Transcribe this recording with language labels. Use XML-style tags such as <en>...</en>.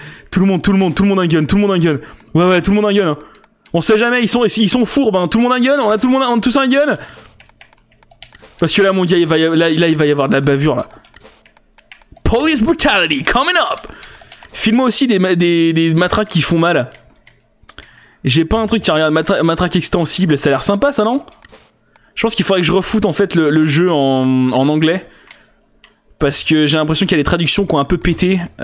<fr>Tout le monde a un gun. Ouais, tout le monde a un gun. Hein. On sait jamais, ils sont fourbes, hein. Tout le monde a un gun, on a tous un gun. Parce que là, mon gars, il va y avoir de la bavure, là.</fr> <en>Police brutality coming up.</en> <fr>Filme-moi aussi des matraques qui font mal. J'ai pas un truc, tiens, regarde, matraque extensible, ça a l'air sympa, ça, non? Je pense qu'il faudrait que je refoute, en fait, le jeu en anglais. Parce que j'ai l'impression qu'il y a des traductions qui ont un peu pété.</fr>